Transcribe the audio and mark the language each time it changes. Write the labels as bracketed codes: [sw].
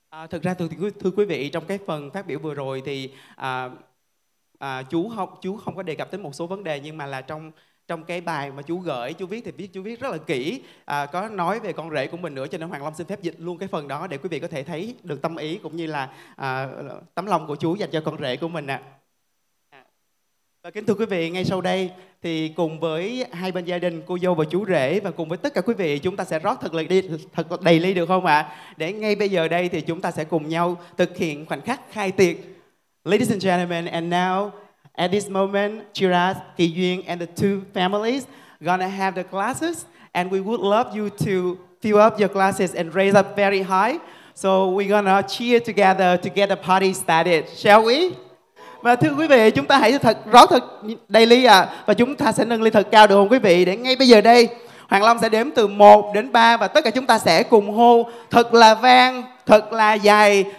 [vi] Thực ra thưa quý vị, trong cái phần phát biểu vừa rồi thì chú không có đề cập đến một số vấn đề, nhưng mà là trong cái bài mà chú gửi, chú viết thì chú viết rất là kỹ, có nói về con rể của mình nữa, cho nên Hoàng Long xin phép dịch luôn cái phần đó để quý vị có thể thấy được tâm ý cũng như là tấm lòng của chú dành cho con rể của mình ạ. Và kính thưa quý vị, ngay sau đây thì cùng với hai bên gia đình, cô dâu và chú rể, và cùng với tất cả quý vị, chúng ta sẽ rót thật đầy ly được không ạ? Để ngay bây giờ đây thì chúng ta sẽ cùng nhau thực hiện khoảnh khắc khai tiệc. [en] Ladies and gentlemen, and now at this moment, Chirat, Kỳ Duyên and the two families gonna have the glasses, and we would love you to fill up your glasses and raise up very high. So we're gonna cheer together to get the party started, shall we? [vi] Và thưa quý vị, chúng ta hãy rót thật đầy ly ạ. Và chúng ta sẽ nâng ly thật cao được không quý vị? Để ngay bây giờ đây, Hoàng Long sẽ đếm từ 1 đến 3 và tất cả chúng ta sẽ cùng hô thật là vang, thật là dài.